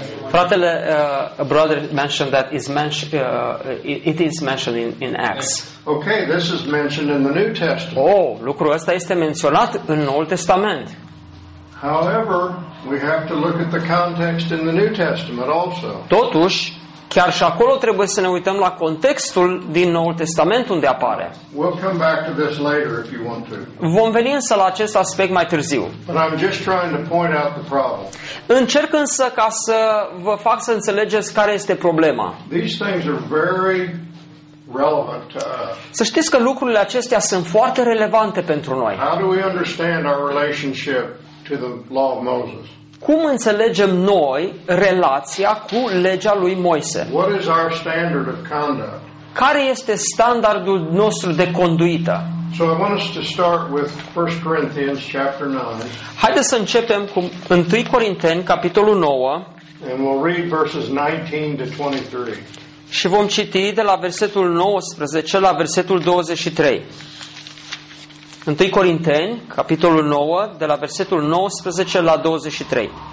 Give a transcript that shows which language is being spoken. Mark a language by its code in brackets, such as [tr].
[en] Fratele, brother mentioned that it is mentioned in Acts. Okay, this is mentioned in the New Testament. [ro] Oh, lucrul ăsta este menționat în Noul Testament. [en] However, we have to look at the context in the New Testament also. [ro] Totuși, chiar și acolo trebuie să ne uităm la contextul din Noul Testament unde apare. [en] We'll come back to this later if you want to. [ro] Vom veni însă la acest aspect mai târziu. [en] But I'm just trying to point out the problem. [ro] Încerc însă ca să vă fac să înțelegeți care este problema. [en] These things are very relevant to us. [ro] Să știți că lucrurile acestea sunt foarte relevante pentru noi. [en] How do we understand our relationship to the law of Moses? [ro] Cum înțelegem noi relația cu legea lui Moise? [en] What is our standard of conduct? [ro] Care este standardul nostru de conduită? [en] So I want us to start with 1 Corinthians chapter 9. [ro] Haideți să începem cu 1 Corinteni capitolul 9. [en] And we'll read verses 19 to 23. [ro] Și vom citi de la versetul 19 la versetul 23. 1 Corinteni, capitolul 9, de la versetul 19 la 23.